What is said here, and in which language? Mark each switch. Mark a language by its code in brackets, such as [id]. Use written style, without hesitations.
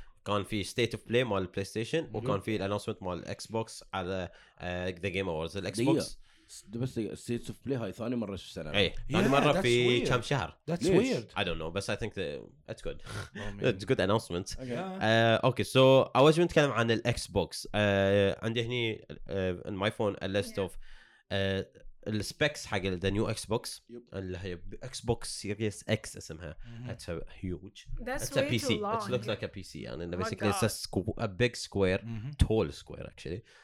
[ar] كان في state of play مال بلاي ستيشن وكان في announcement مال إكس بوكس على the game awards. [en] The Xbox [ar] بس state of play هاي ثاني مرة في السنة. أي ثاني مرة في كم شهر. [en] That's weird. I don't know, but I think that's good. It's good announcement. Okay, so I was going to talk about the Xbox. [ar] عندي هني [en] in my phone a list of the specs [ar] حق [en] the new Xbox. [ar] اللي هي Xbox Series X اسمها. [en] It's a huge. That's it's a PC. It looks like a PC. [ar] يعني [en] basically it's a big square, tall square actually.